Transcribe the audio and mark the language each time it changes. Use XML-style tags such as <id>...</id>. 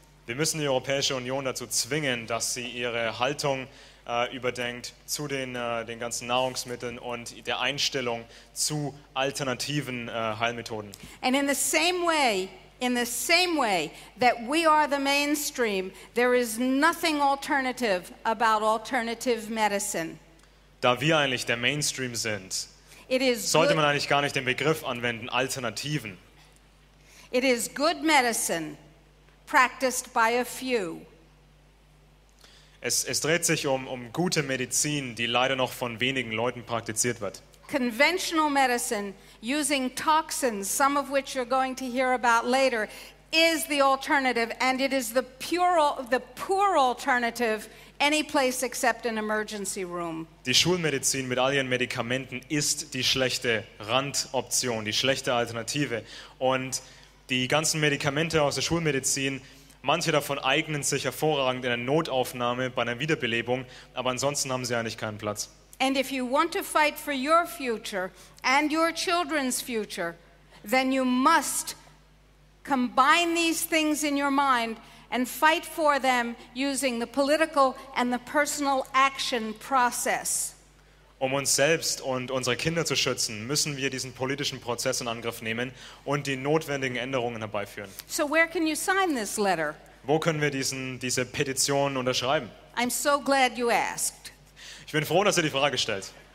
<de>Wir müssen die Europäische Union dazu zwingen, dass sie ihre Haltung überdenkt zu den ganzen Nahrungsmitteln und der Einstellung zu alternativen Heilmethoden.</de> <en>And in the same way that we are the mainstream, there is nothing alternative about alternative medicine.</en> <de>Da wir eigentlich der Mainstream sind, sollte man eigentlich gar nicht den Begriff anwenden, Alternativen.</de> <en>It is good medicine practiced by a few.</en> <de>Es dreht sich um gute Medizin, die leider noch von wenigen Leuten praktiziert wird.</de> <en>Conventional medicine using toxins, some of which you're going to hear about later, is the alternative and it is the poor alternative any place except an emergency room.</en> <de>Die Schulmedizin mit all ihren Medikamenten ist die schlechte Randoption, die schlechte Alternative. Und die ganzen Medikamente aus der Schulmedizin, manche davon eignen sich hervorragend in einer Notaufnahme, bei einer Wiederbelebung, aber ansonsten haben sie eigentlich keinen Platz.</de> <en>And if you want to fight for your future and your children's future, then you must combine these things in your mind and fight for them using the political and the personal action process.</en> <de>Um uns selbst und unsere Kinder zu schützen, müssen wir diesen politischen Prozess in Angriff nehmen und die notwendigen Änderungen herbeiführen.</de> <en>So where can you sign this letter?</en> <de>Wo können wir diese Petition unterschreiben?</de> <en>I'm so glad you asked.</en> <de>Ich bin froh, dass ihr die Frage stellt.</de>